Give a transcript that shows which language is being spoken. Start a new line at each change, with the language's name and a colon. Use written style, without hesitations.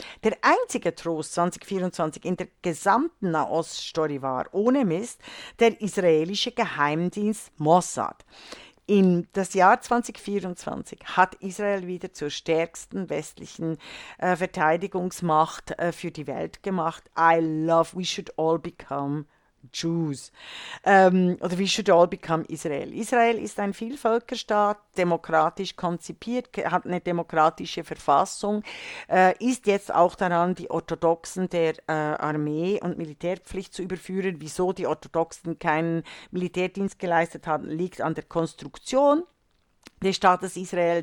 German: Der einzige Trost 2024 in der gesamten Nahost-Story war, ohne Mist, der israelische Geheimdienst Mossad. In das Jahr 2024 hat Israel wieder zur stärksten westlichen Verteidigungsmacht für die Welt gemacht.
English: I love, we should all become Jews.
German: Oder
English: we should all become Israel.
German: Israel ist ein Vielvölkerstaat, demokratisch konzipiert, hat eine demokratische Verfassung, ist jetzt auch daran, die Orthodoxen der Armee und Militärpflicht zu überführen. Wieso die Orthodoxen keinen Militärdienst geleistet haben, liegt an der Konstruktion des Staates Israel.